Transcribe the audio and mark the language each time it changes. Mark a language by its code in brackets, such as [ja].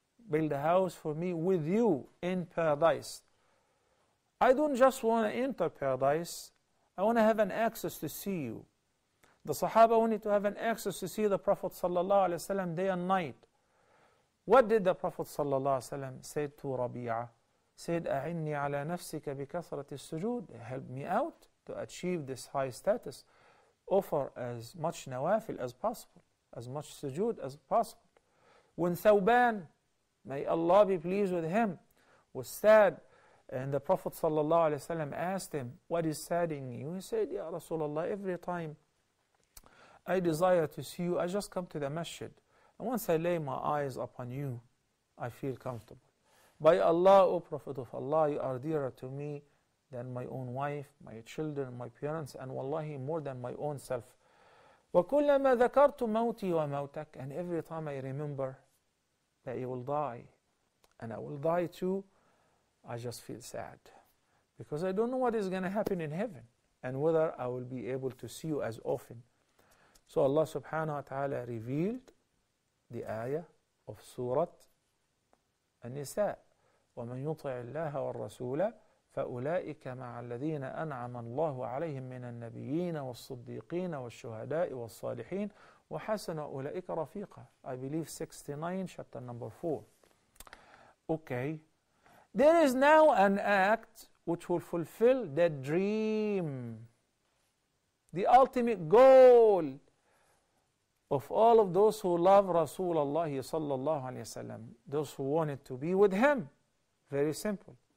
[en] Build a house for me with you in paradise. I don't just want to enter paradise. I want to have an access to see you. The Sahaba wanted to have an access to see the Prophet sallallahu alayhi wa sallam day and night. What did the Prophet sallallahu alayhi wa sallam say to Rabi'a? [ar] Said, أَعِنِّي عَلَى نَفْسِكَ بِكَثْرَةِ السُّجُودِ. [en] Help me out to achieve this high status. Offer as much nawafil as possible, as much sujood as possible. When Thawban, may Allah be pleased with him, was sad, and the Prophet ﷺ asked him, what is saddening you? He said, Ya Rasulullah, every time I desire to see you, I just come to the masjid. And once I lay my eyes upon you, I feel comfortable. By Allah, O Prophet of Allah, you are dearer to me than my own wife, my children, my parents, and wallahi, more than my own self. [ar] وَكُلَّمَا ذَكَرْتُ مَوْتِي وَمَوْتَكَ. [en] And every time I remember that you will die, and I will die too, I just feel sad. Because I don't know what is going to happen in heaven, and whether I will be able to see you as often. So Allah subhanahu wa ta'ala revealed the ayah of Surah [ar] النساء ومن يطع الله والرسول فأولئك مع الذين أنعم الله عليهم من النبيين والصديقين والشهداء والصالحين وحسن أولئك رفيقا. [en] I believe 69 chapter number 4. Okay, there is now an act which will fulfill that dream, the ultimate goal of all of those who love Rasulullah sallallahu alayhi wa sallam, those who wanted to be with him. Very simple.